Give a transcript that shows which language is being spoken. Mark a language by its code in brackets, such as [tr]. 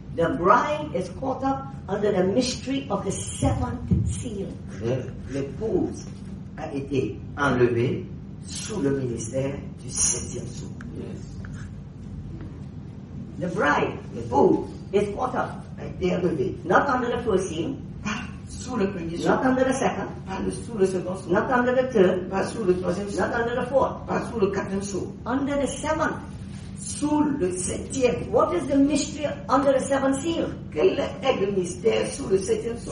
[en] the bride is caught up under the mystery of the seventh seal. [fr] L'épouse a été enlevée sous le ministère du septième sceau. [en] Yes. The bride, [fr] l'épouse, [en] is caught up, [fr] a été enlevée, [en] not under the first seal, [fr] sous le premier sceau, [en] not under the second, [fr] pas sous le second sceau, [en] not under the third, [fr] pas sous le troisième sceau, [en] not under the fourth, [fr] pas sous le quatrième sceau, [en] under the seventh. [fr] sous le septième. [en] What is the mystery under the seventh seal? [fr] Quel est le mystère sous le septième sceau?